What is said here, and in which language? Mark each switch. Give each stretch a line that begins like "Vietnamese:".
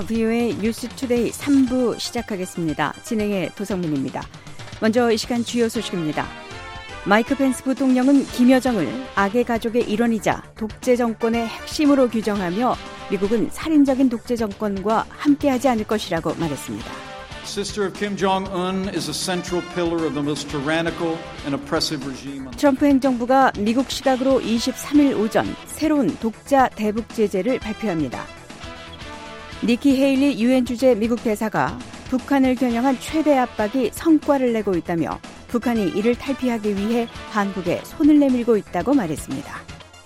Korean: VOA 뉴스 투데이 3부 시작하겠습니다. 진행의 도성민입니다. 먼저 이 시간 주요 소식입니다. 마이크 펜스 부통령은 김여정을 악의 가족의 일원이자 독재 정권의 핵심으로 규정하며 미국은 살인적인 독재 정권과 함께하지 않을 것이라고 말했습니다.
English: Sister of Kim Jong-un is a central pillar of the most tyrannical and oppressive regime.
Korean: 트럼프 행정부가 미국 시각으로 23일 오전 새로운 독자 대북 제재를 발표합니다. 니키 헤일리 유엔 주재 미국 대사가 북한을 겨냥한 최대 압박이 성과를 내고 있다며 북한이 이를 탈피하기 위해 한국에 손을 내밀고 있다고 말했습니다.